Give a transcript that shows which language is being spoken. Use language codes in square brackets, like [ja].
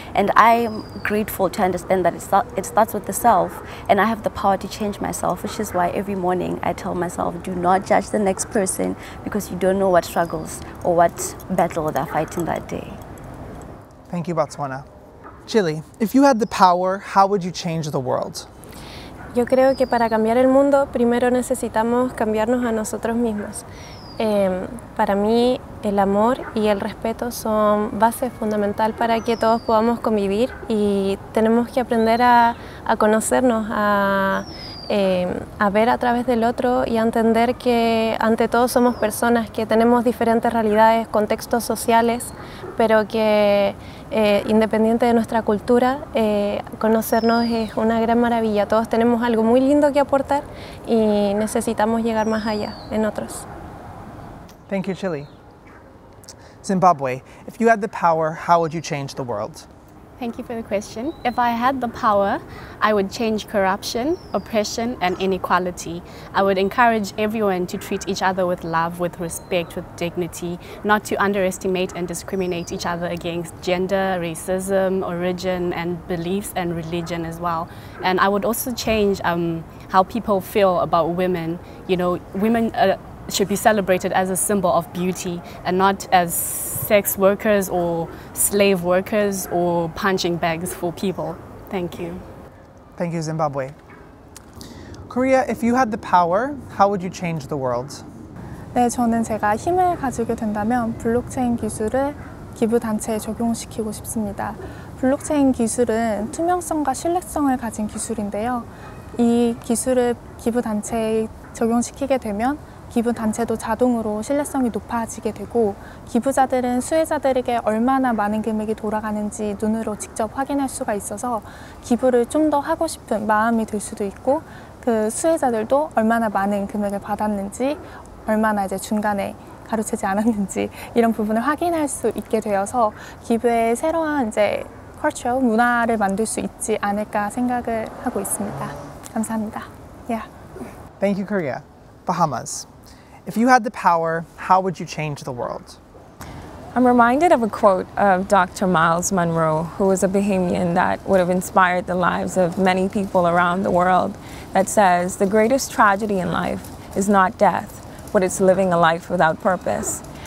[en] And I'm grateful to understand that it starts with the self, and I have the power to change myself, which is why every morning I tell myself, do not judge the next person, because you don't know what struggles or what battle they're fighting that day. Thank you, Botswana. Chile, if you had the power, how would you change the world? [es] Yo creo que para cambiar el mundo, primero necesitamos cambiarnos a nosotros mismos. Para mí, el amor y el respeto son base fundamental para que todos podamos convivir, y tenemos que aprender a conocernos, a ver a través del otro y a entender que ante todo somos personas que tenemos diferentes realidades, contextos sociales, pero que independiente de nuestra cultura, conocernos es una gran maravilla. Todos tenemos algo muy lindo que aportar y necesitamos llegar más allá en otros. [en] Thank you, Chile. Zimbabwe, if you had the power, how would you change the world? Thank you for the question. If I had the power, I would change corruption, oppression, and inequality. I would encourage everyone to treat each other with love, with respect, with dignity, not to underestimate and discriminate each other against gender, racism, origin, and beliefs and religion as well. And I would also change how people feel about women. You know, women should be celebrated as a symbol of beauty and not as sex workers or slave workers or punching bags for people. Thank you. Thank you, Zimbabwe. Korea, if you had the power, how would you change the world? [ko] 네, 저는 제가 힘을 가지게 된다면 블록체인 기술을 기부 단체에 적용시키고 싶습니다. 블록체인 기술은 투명성과 신뢰성을 가진 기술인데요. 이 기술을 기부 단체에 적용시키게 되면 기부 단체도 자동으로 신뢰성이 높아지게 되고, 기부자들은 수혜자들에게 얼마나 많은 금액이 돌아가는지 눈으로 직접 확인할 수가 있어서 기부를 좀 더 하고 싶은 마음이 들 수도 있고, 그 수혜자들도 얼마나 많은 금액을 받았는지, 얼마나 이제 중간에 가로채지 않았는지 이런 부분을 확인할 수 있게 되어서 기부의 새로운 이제 컬처, 문화를 만들 수 있지 않을까 생각을 하고 있습니다. 감사합니다. Yeah. [en] Thank you, Korea. Bahamas. If you had the power, how would you change the world? I'm reminded of a quote of Dr. Miles Monroe, who was a Bahamian that would have inspired the lives of many people around the world, that says, "The greatest tragedy in life is not death, but it's living a life without purpose."